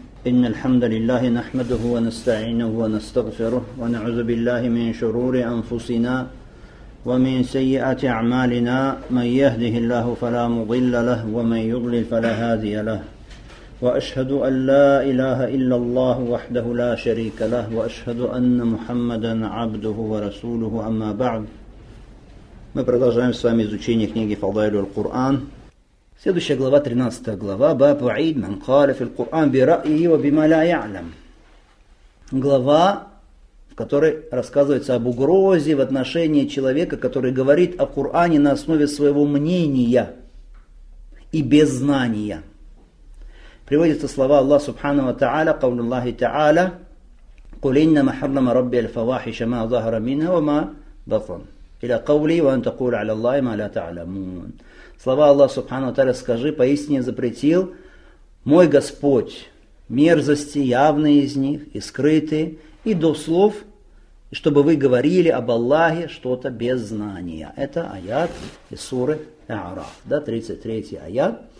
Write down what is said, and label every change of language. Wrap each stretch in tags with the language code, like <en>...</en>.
<ar>إن الحمد لله نحمده ونستعينه ونستغفره ونعوذ بالله من شرور أنفسنا ومن سيئات أعمالنا، من يهده الله فلا مضل له ومن يضلل فلا هادي له، وأشهد أن لا إله إلا الله وحده لا شريك له، وأشهد أن محمدا عبده ورسوله، أما بعد.</ar> <ru>Мы продолжаем с вами изучение книги Фадайль аль-Куран. Следующая глава, 13 глава, Баб Ваид ман каля фил Куран би раи ва бима ля яълам. Глава, в которой рассказывается об угрозе в отношении человека, который говорит о Куране на основе своего мнения и без знания. Приводятся слова Аллаха субхана ва тааля,</ru> <ar>каулу Аллахи тааля: "Кул инна махарнама Рабби аль-фавахиша ма захара минха ва ма батн". Или قولي وان تقول على الله ما لا تعلمون.</ar> <ru>Слова Аллаха субхана ва тааля: скажи, поистине запретил мой Господь мерзости, явные из них и скрытые, и до слов, чтобы вы говорили об Аллахе что-то без знания. Это аят из суры А'раф, да, 33 аят.</ru>